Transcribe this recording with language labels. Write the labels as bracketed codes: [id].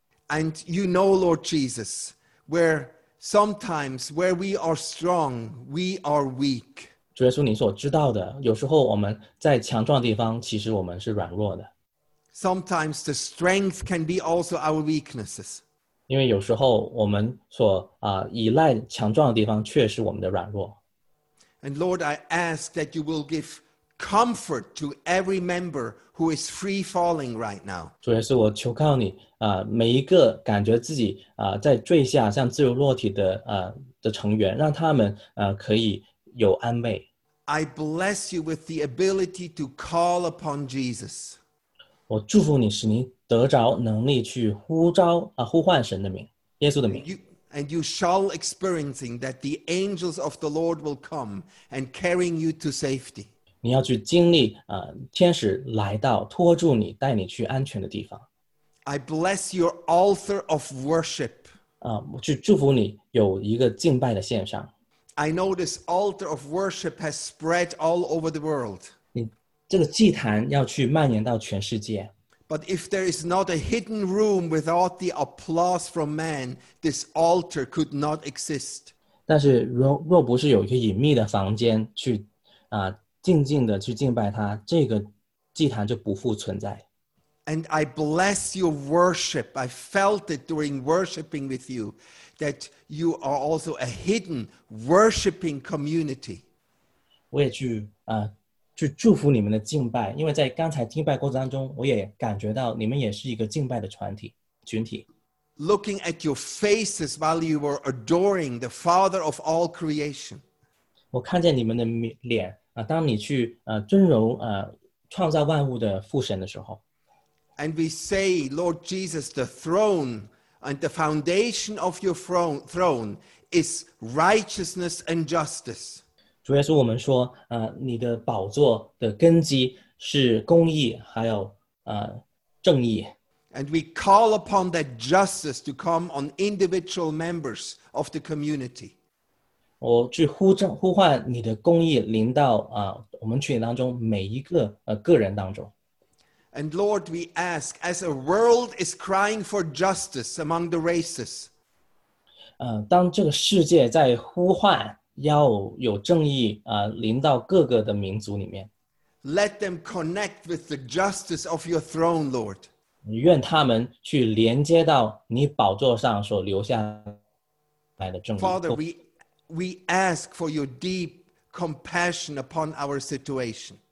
[en] And you know, Lord Jesus, where sometimes where we are strong, we are weak. [zh] 主耶稣你所知道的, 有时候我们在强壮的地方, 其实我们是软弱的。 [en] Sometimes the strength can be also our weaknesses. [zh] 因为有时候我们所, 依赖强壮的地方, 却是我们的软弱。 [en] And Lord, I ask that you will give comfort to every member who is free falling right now. [zh] 主耶稣我求告你, 每一个感觉自己, 在坠下, 像自由落体的, 的成员, 让他们, 可以有安慰。 [en] I bless you with the ability to call upon Jesus. [zh] 我祝福你使你得着能力去呼召, 呼唤神的名, 耶稣的名。 [en] And you shall experience that the angels of the Lord will come and carry you to safety. [zh] 你要去经历, 天使来到, 托住你, 带你去安全的地方。 [en] I bless your altar of worship. [zh] 我去祝福你有一个敬拜的献上。 [en] I know this altar of worship has spread all over the world. [zh] 这个祭坛要去蔓延到全世界。 [en] But if there is not a hidden room without the applause from man, this altar could not exist. [zh] 但是若不是有一个隐秘的房间去, 静静地去敬拜他, 这个祭坛就不复存在。 [en] And I bless your worship. I felt it during worshiping with you, that you are also a hidden worshiping community. [zh] 我也去, 去祝福你们的敬拜, 因为在刚才敬拜过程当中, 我也感觉到你们也是一个敬拜的群体。 [en] Looking at your faces while you were adoring the Father of all creation. [zh] 我看见你们的脸, 当你去, 尊荣, 创造万物的父神的时候。 [en] And we say, Lord Jesus, the throne and the foundation of your throne is righteousness and justice. [zh] 主耶稣我们说, 你的宝座的根基是公义, 还有, 正义。 [en] And we call upon that justice to come on individual members of the community. [zh] 我去呼唤你的公义临到, 我们群体当中每一个, 个人当中。 [en] And Lord, we ask, as a world is crying for justice among the races, [zh] 当这个世界在呼唤, 要有正义, 临到各个的民族里面, [en] let them connect with the justice of your throne, Lord. [zh] 愿他们去连接到你宝座上所留下来的证据。 [en] Father, we ask for your deep compassion upon our situation.